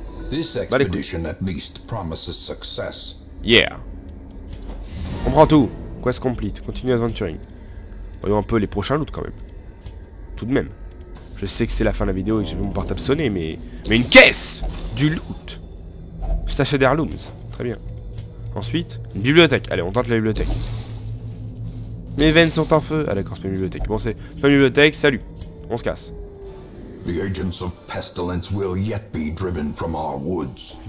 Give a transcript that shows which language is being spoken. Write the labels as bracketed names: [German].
[English] This expedition at least promises success. [French] Yeah. On prend tout. [English] Quest complete. Continue adventuring. [French] Voyons un peu les prochains loot quand même. Tout de même. Je sais que c'est la fin de la vidéo et que j'ai vu mon portable sonner, mais. Mais une caisse du loot. Stash d'Heirlooms. Très bien. Ensuite, une bibliothèque. Allez, on tente la bibliothèque. Mes veines sont en feu. Ah d'accord, c'est pas une bibliothèque. Bon, c'est pas une bibliothèque, salut. On se casse. [English] The agents of pestilence will yet be driven from our woods.